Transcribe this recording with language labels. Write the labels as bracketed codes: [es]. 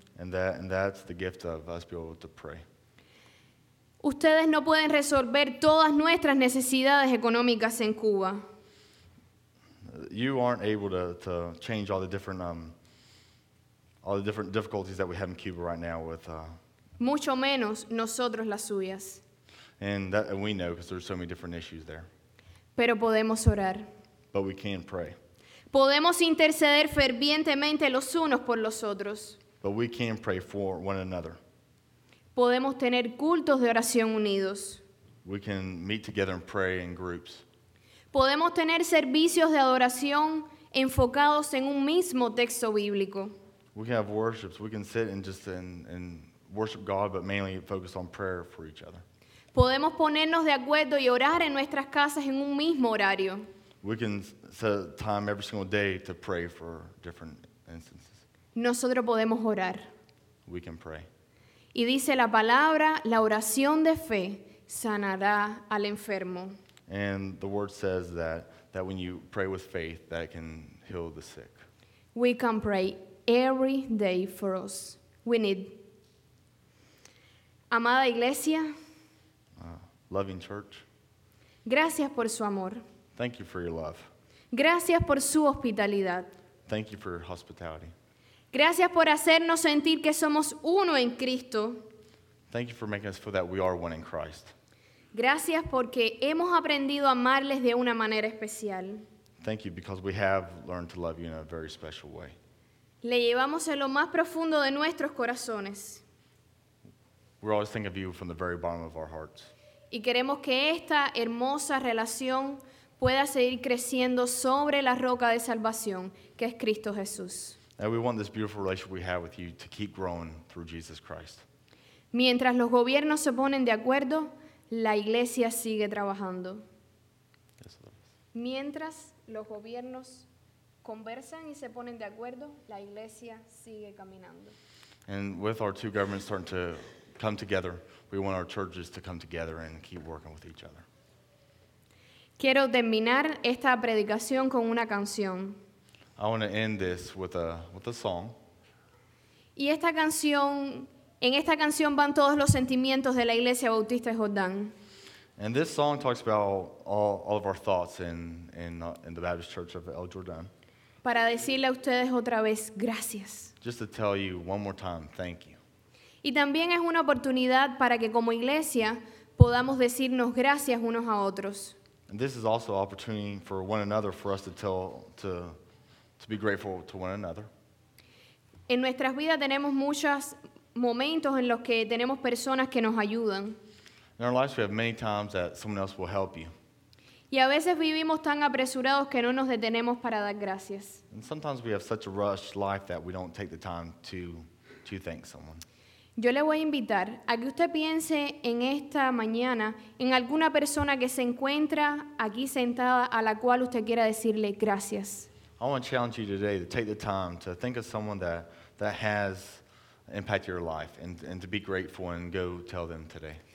[en] And that's the gift of us being able to pray. [es] Ustedes no pueden resolver todas nuestras necesidades económicas en Cuba. [en] you aren't able to change all the different difficulties that we have in Cuba right now with [es] mucho menos nosotros las suyas. [en] And we know because there's so many different issues there. [es] Pero podemos orar. [en] But we can pray. [es] Podemos interceder fervientemente los unos por los otros. [en] But we can pray for one another. [es] Podemos tener cultos de oración unidos. [en] We can meet together and pray in groups. [es] Podemos tener servicios de adoración enfocados en un mismo texto bíblico. [en] We can have worships. We can sit and just and worship God, but mainly focus on prayer for each other. [es] Podemos ponernos de acuerdo y orar en nuestras casas en un mismo horario. [en] We can set time every single day to pray for different instances. [es] Nosotros podemos orar. [en] We can pray. [es] Y dice la palabra, la oración de fe sanará al enfermo. [en] And the word says that when you pray with faith, that can heal the sick. We can pray every day for us. We need. [es] Amada iglesia. [en] Loving church. [es] Gracias por su amor. [en] Thank you for your love. [es] Gracias por su hospitalidad. [en] Thank you for your hospitality. [es] Gracias por hacernos sentir que somos uno en Cristo. [en] Thank you for making us feel that we are one in Christ. [es] Gracias porque hemos aprendido a amarles de una manera especial. [en] Thank you because we have learned to love you in a very special way. [es] Le llevamos en lo más profundo de nuestros corazones. [en] We always think of you from the very bottom of our hearts. [es] Y queremos que esta hermosa relación pueda seguir creciendo sobre la roca de salvación, que es Cristo Jesús. [en] And we want this beautiful relationship we have with you to keep growing through Jesus Christ. [es] Mientras los gobiernos se ponen de acuerdo, la iglesia sigue trabajando. [en] Yes, [es] mientras los gobiernos conversan y se ponen de acuerdo, la iglesia sigue caminando. [en] And with our two governments starting to come together, we want our churches to come together and keep working with each other. [es] Quiero terminar esta predicación con una canción. [en] I want to end this with a song. [es] Y esta canción, en esta canción van todos los sentimientos de la Iglesia Bautista de Jordán. [en] And this song talks about all of our thoughts in the Baptist Church of El Jordán. [es] Para decirle a ustedes otra vez gracias. [en] Just to tell you one more time, thank you. [es] Y también es una oportunidad para que como iglesia podamos decirnos gracias unos a otros. [en] And this is also an opportunity for one another for us to be grateful to one another. [es] En nuestras vidas tenemos muchos momentos en los que tenemos personas que nos ayudan. [en] In our lives we have many times that someone else will help you. [es] Y a veces vivimos tan apresurados que no nos detenemos para dar gracias. [en] And sometimes we have such a rushed life that we don't take the time to thank someone. [es] Yo le voy a invitar a que usted piense en esta mañana en alguna persona que se encuentra aquí sentada a la cual usted quiera decirle gracias. [en] I want to challenge you today to take the time to think of someone that has impacted your life and to be grateful and go tell them today.